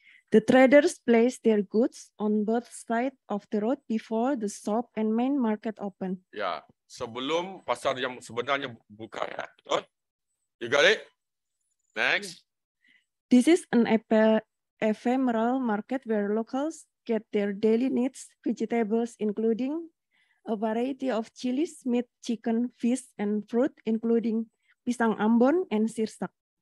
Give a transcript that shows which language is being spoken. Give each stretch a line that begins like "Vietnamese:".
English: The traders place their goods on both sides of the road before the shop and main market open. Ya, yeah.
Indonesian: Sebelum pasar yang sebenarnya buka ya.
English: Betul? You got it? Next. Hmm. This is an ephemeral market where locals get their daily needs, vegetables, including a variety of chilies, meat, chicken, fish, and fruit, including pisang ambon and sirsak.